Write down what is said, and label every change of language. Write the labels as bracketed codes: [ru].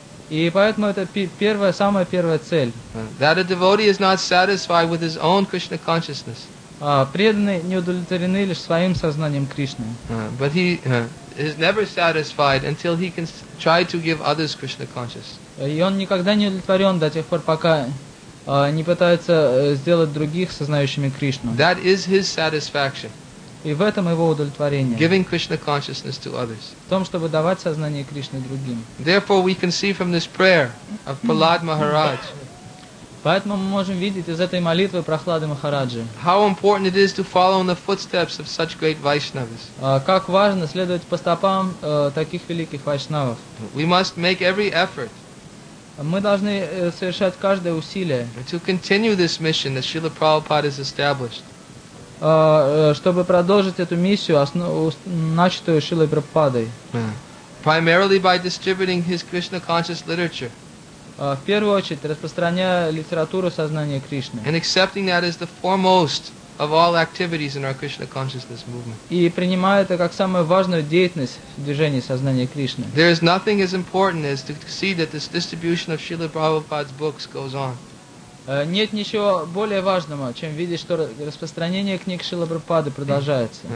[ru] И поэтому это первая, самая первая цель. [en] That a devotee is not satisfied with his own Krishna consciousness. [ru] Преданные не удовлетворены лишь своим сознанием Кришны. [en] But he is never satisfied until he can try to give others Krishna consciousness. [ru] И он никогда не удовлетворен до тех пор, пока не пытается сделать других сознающими Кришну. [en] That is his satisfaction. [ru] И в этом его удовлетворение. [en] Giving Krishna consciousness to others. [ru] В том, чтобы давать сознание Кришны другим. [en] Therefore, we can see from this prayer of Prahlad Maharaj. [ru] Поэтому мы можем видеть из этой молитвы Прохлады Махараджи. [en] How important it is to follow in the footsteps of such great Vaishnavas. [ru] Как важно следовать по стопам таких великих вайшнавов. [en] We must make every effort. [ru] Мы должны совершать каждое усилие. [en] To continue this mission that Srila Prabhupada has established. [ru] чтобы продолжить эту миссию, начатую Шрилой Прабхупадой. [en] Primarily by distributing his Krishna conscious literature. [ru] В первую очередь распространяя литературу сознания Кришны. [en] And accepting that as the foremost of all activities in our Krishna consciousness movement. [ru] И принимая это как самую важную деятельность в движении сознания Кришны. [en] There is nothing as important as to see that this distribution of Srila Prabhupada's books goes on. [ru] Нет ничего более важного, чем видеть, что распространение книг Шрилы Прабхупады продолжается.